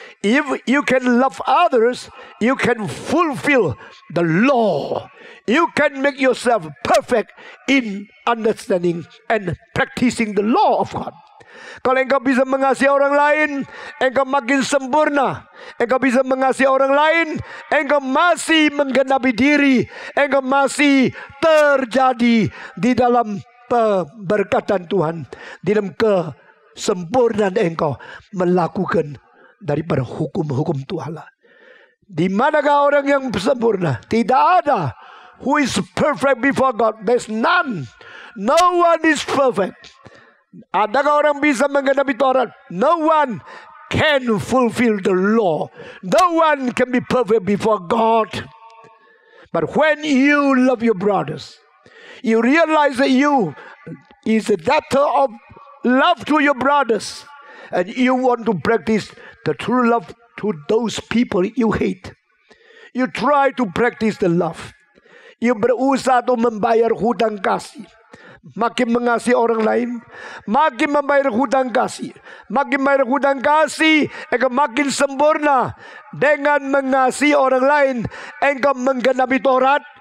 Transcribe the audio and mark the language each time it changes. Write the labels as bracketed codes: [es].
[en] If you can love others, you can fulfill the law. You can make yourself perfect in understanding and practicing the law of God. [id] Kalau engkau bisa mengasihi orang lain, engkau makin sempurna. Engkau bisa mengasihi orang lain, engkau masih menggenapi diri. Engkau masih terjadi di dalam pemberkatan Tuhan. Di dalam kesempurnaan engkau melakukan daripada hukum-hukum Tuhan. Di manakah orang yang sempurna? Tidak ada. [en] Who is perfect before God? There's none. No one is perfect. [id] Adakah orang bisa menggenapi Taurat? [en] No one can fulfill the law. No one can be perfect before God. But when you love your brothers, you realize that you is a debtor of love to your brothers, and you want to practice the true love to those people you hate. You try to practice the love. You [id] berusaha untuk membayar hutang kasih. Makin mengasihi orang lain, makin membayar hutang kasih. Makin membayar hutang kasih, engkau makin sempurna. Dengan mengasihi orang lain, engkau menggenapi Taurat.